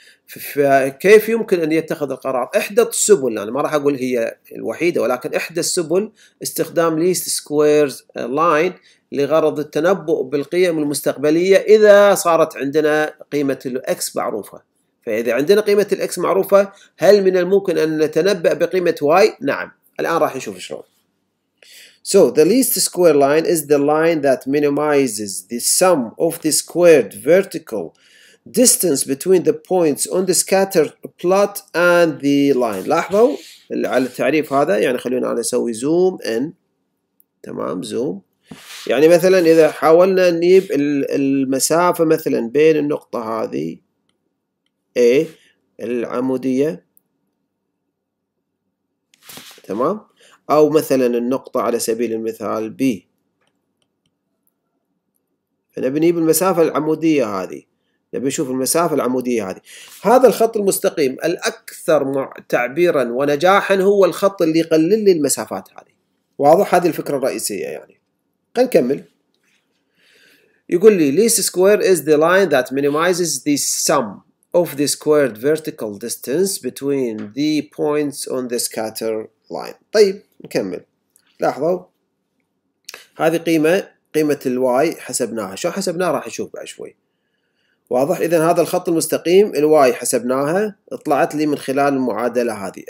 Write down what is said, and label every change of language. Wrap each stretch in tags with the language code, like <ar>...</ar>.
<ar>فكيف يمكن أن يتخذ القرار؟ إحدى السبل، أنا ما راح أقول هي الوحيدة، ولكن إحدى السبل استخدام least squares line لغرض التنبؤ بالقيم المستقبلية إذا صارت عندنا قيمة الـ X معروفة. فإذا عندنا قيمة الإكس معروفة، هل من الممكن أن نتنبأ بقيمة واي؟ نعم. الآن راح نشوف شلون.</ar> <en>So the least square line is the line that minimizes the sum of the squared vertical distance between the points on the scatter plot and the line.</en> <ar>لاحظوا على التعريف هذا، يعني خلونا أنا أسوي زوم إن، تمام، زوم. يعني مثلا إذا حاولنا نجيب المسافة مثلا بين النقطة هذه A العمودية، تمام، أو مثلا النقطة على سبيل المثال B، نبي نجيب المسافة العمودية هذه، نبي نشوف المسافة العمودية هذه. هذا الخط المستقيم الأكثر تعبيرا ونجاحا هو الخط اللي يقلل لي المسافات هذه. واضح هذه الفكرة الرئيسية؟ يعني خلينا نكمل. يقول لي</ar> <en>least square is the line that minimizes the sum of the squared vertical distance between the points on the scatter line.</en> <ar>طيب نكمل. لاحظوا هذه قيمة الواي حسبناها. شو حسبناها؟ راح نشوف بعد شوي. واضح؟ إذا هذا الخط المستقيم الواي حسبناها، طلعت لي من خلال المعادلة هذه.</ar>